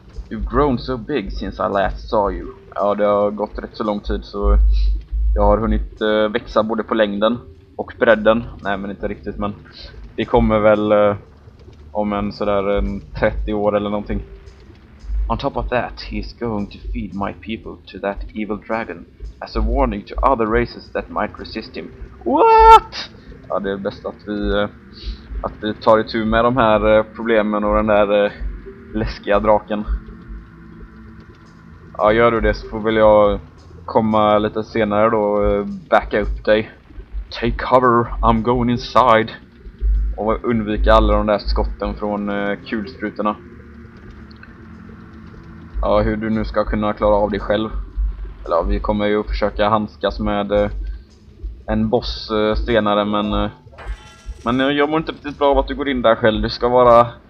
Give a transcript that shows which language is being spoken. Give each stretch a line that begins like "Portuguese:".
English: You've grown so big since I last saw you.
Swedish: Ja, det har gått rätt så lång tid så jag har hunnit växa både på längden och bredden. Nej, men inte riktigt, men det kommer väl om en sådär en 30 år eller någonting.
English: On top of that, he's going to feed my people to that evil dragon as a warning to other races that might resist him. What?
Swedish: Ja, det är bäst att vi tar itu med de här problemen och den där läskiga draken. Ja, gör du det så får väl jag komma lite senare då och backa upp dig.
English: Take cover, I'm going inside.
Swedish: Och undvika alla de där skotten från kulsprutorna. Ja, hur du nu ska kunna klara av dig själv. Eller ja, vi kommer ju försöka handskas med en boss senare, men jag mår inte riktigt bra av att du går in där själv. Du ska vara